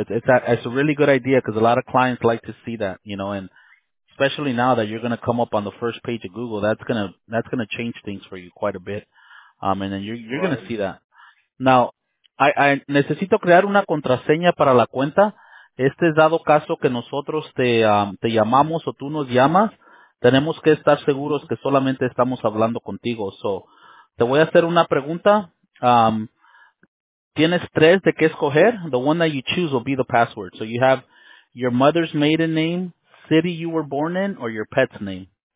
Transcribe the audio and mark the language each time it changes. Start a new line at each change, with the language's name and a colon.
English: It's a really good idea because a lot of clients like to see that, you know, and especially now that you're going to come up on the first page of Google, that's going to change things for you quite a bit. And then you're going to see that. Now, I
Spanish: necesito crear una contraseña para la cuenta. Este es dado caso que nosotros te llamamos o tú nos llamas. Tenemos que estar seguros que solamente estamos hablando contigo. So, te voy a hacer una pregunta. Tienes tres de qué escoger.
English: The one that you choose will be the password. So you have your mother's maiden name, city you were born in, or your pet's name.